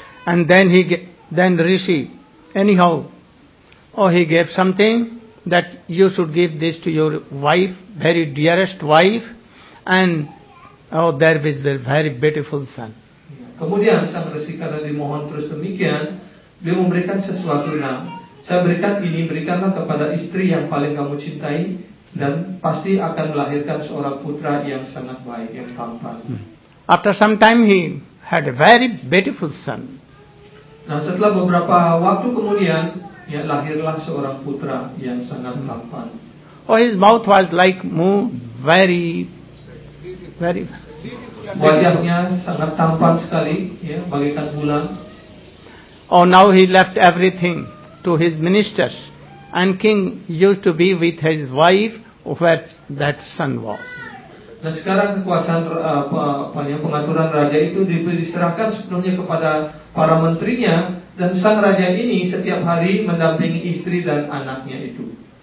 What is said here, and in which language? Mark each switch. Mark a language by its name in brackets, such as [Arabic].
[English] And then rishi anyhow, he gave something that you should give this to your wife, very dearest wife, and there is a very beautiful son. [Indonesian] Kemudian sang resi karena dimohon terus demikian, dia memberikan sesuatu. Saya berikan ini, berikanlah kepada istri yang paling kamu cintai, dan pasti akan melahirkan seorang putra yang sangat baik, yang tampan. [English] After some time he had a very beautiful son. [Indonesian] Nah, setelah beberapa waktu kemudian, ya, lahirlah seorang putra yang sangat tampan. [English] Oh, his mouth was like moon, very, very. [Indonesian] Wajahnya sangat tampan sekali, ya, bagaikan bulan. [English] Oh, now he left everything to his ministers, and king used to be with his wife where that son was. [Indonesian] Nah, sekarang kekuasaan pengaturan raja itu diserahkan sepenuhnya kepada para menterinya, dan sang raja ini setiap hari mendampingi istri dan anaknya itu.